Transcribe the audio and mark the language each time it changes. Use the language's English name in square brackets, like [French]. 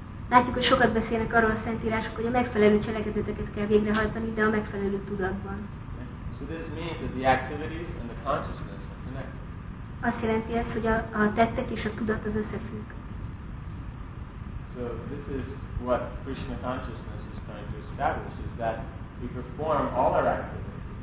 [Hungarian] Látjuk, hogy sokat beszélnek arról a szentírások, hogy a megfelelő cselekedeteket kell végrehajtani, de a megfelelő tudatban. [English] So this means that the activities and the consciousness are connected. [Hungarian] Azt jelenti ez, hogy a tettek és a tudat az összefügg. [English] So this is what Krishna consciousness is trying to establish, is that we perform all our activities.